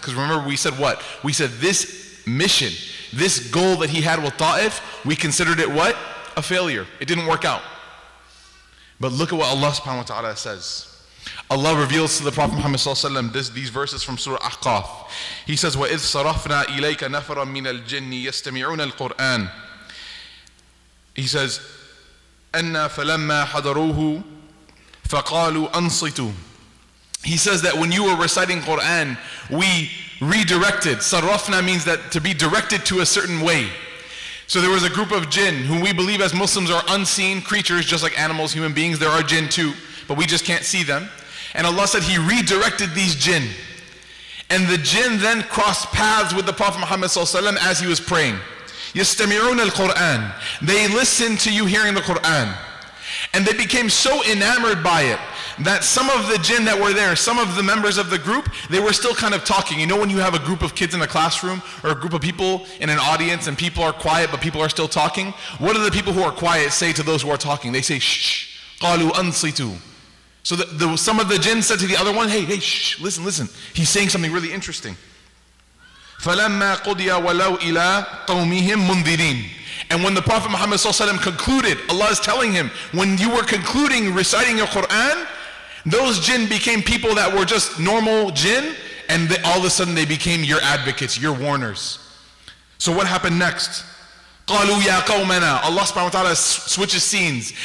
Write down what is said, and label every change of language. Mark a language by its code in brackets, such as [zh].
[en] Because remember we said what? We said this mission, this goal that he had with Ta'if, we considered it what? A failure. It didn't work out. But look at what Allah subhanahu wa ta'ala says. Allah reveals to the Prophet Muhammad these verses from Surah Ahqaf. He says, [ar] وَإِذْ صَرَفْنَا إِلَيْكَ نَفَرًا مِنَ الْجِنِّ يَسْتَمِعُونَ الْقُرْآنَ. [en] He says, [ar] أَنَّا فَلَمَّا حَضَرُوهُ فَقَالُوا أَنصِتُوا. [en] He says that when you were reciting Quran, we redirected. صَرَفْنَا means that to be directed to a certain way. So there was a group of jinn who we believe as Muslims are unseen creatures, just like animals, human beings. There are jinn too, but we just can't see them. And Allah said he redirected these jinn. And the jinn then crossed paths with the Prophet Muhammad ﷺ as he was praying. [ar] يَسْتَمِعُونَ الْقُرْآنَ. [en] They listened to you hearing the Qur'an. And they became so enamored by it that some of the jinn that were there, some of the members of the group, they were still kind of talking. You know when you have a group of kids in a classroom or a group of people in an audience and people are quiet but people are still talking? What do the people who are quiet say to those who are talking? They say, shh, [ar] قَالُوا أَنصِتُوا. [en] So some of the jinn said to the other one, hey, shh, listen. He's saying something really interesting. [ar] فَلَمَّا قُضِيَ وَلَوْ إِلَىٰ قَوْمِهِمْ مُنذِرِينَ. [en] And when the Prophet Muhammad Sallallahu Alaihi Wasallam concluded, Allah is telling him, when you were concluding reciting your Quran, those jinn became people that were just normal jinn, and they, all of a sudden they became your advocates, your warners. So what happened next? [ar] قَالُوا يَا قَوْمَنَا. [en] Allah subhanahu wa ta'ala switches scenes.